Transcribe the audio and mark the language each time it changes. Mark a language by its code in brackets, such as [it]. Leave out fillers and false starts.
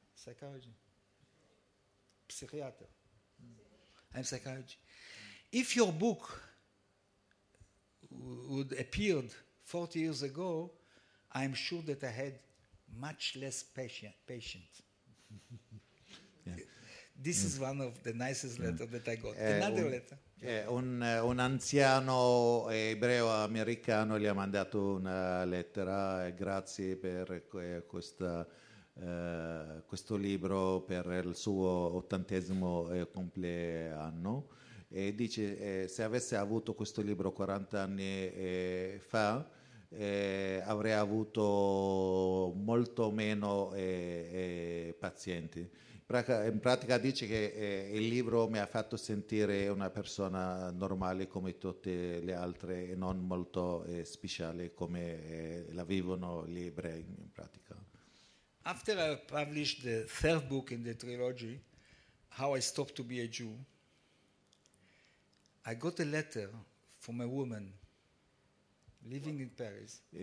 [en] I'm psychologist. If your book would appeared 40 years ago, I'm sure that I had much less patient. Yeah. This is one of the nicest letters that I got. Another letter. [it] Un anziano ebreo americano gli ha mandato una lettera, grazie per questo libro per il suo 80° compleanno, e dice se avesse avuto questo libro 40 anni fa avrei avuto molto meno pazienti. In pratica dice che il libro mi ha fatto sentire una persona normale come tutte le altre e non molto speciale come la vivono gli ebrei in pratica. [en] After I published the third book in the trilogy, How I Stopped to be a Jew, I got a letter from a woman living in Paris.